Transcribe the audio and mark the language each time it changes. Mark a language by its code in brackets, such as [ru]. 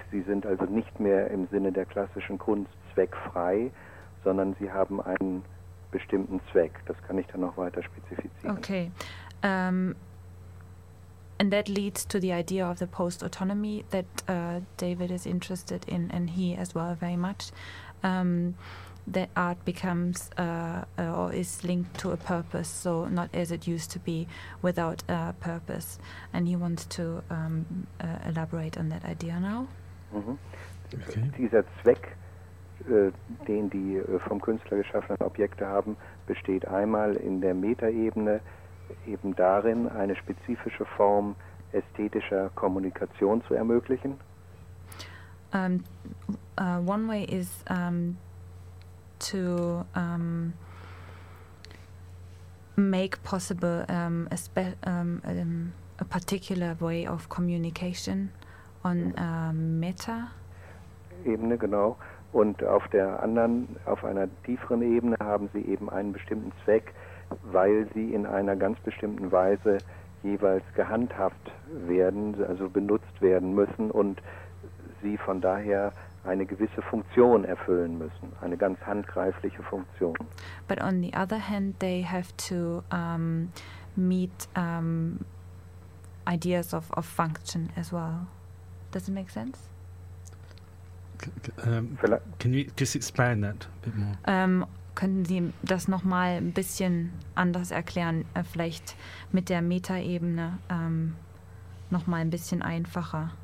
[de] Sie sind also nicht mehr im Sinne der klassischen Kunst zweckfrei, sondern sie haben einen bestimmten Zweck. Das kann ich dann noch weiter spezifizieren. [en] Okay. And that leads to the idea of the post-autonomy that David is interested in, and he as well very much. That art becomes or is linked to a purpose, so not as it used to be, without a purpose. And he wants to elaborate on that idea now. Mhm. Okay. [de] Dieser Zweck, den die vom Künstler geschaffenen Objekte haben, besteht einmal in der Metaebene eben darin, eine spezifische Form ästhetischer Kommunikation zu ermöglichen. [en] One way is to make possible a particular way of communication on meta [de] Ebene, genau. Und auf der anderen, auf einer tieferen Ebene haben sie eben einen bestimmten Zweck, weil sie in einer ganz bestimmten Weise jeweils gehandhabt werden, also benutzt werden müssen, und sie von daher eine gewisse Funktion erfüllen müssen, eine ganz handgreifliche Funktion. [en] But on the other hand, they have to meet ideas of function as well. Does it make sense? Can you just expand that a bit more? [de] Könnten Sie das nochmal ein bisschen anders erklären, vielleicht mit der Metaebene nochmal ein bisschen einfacher?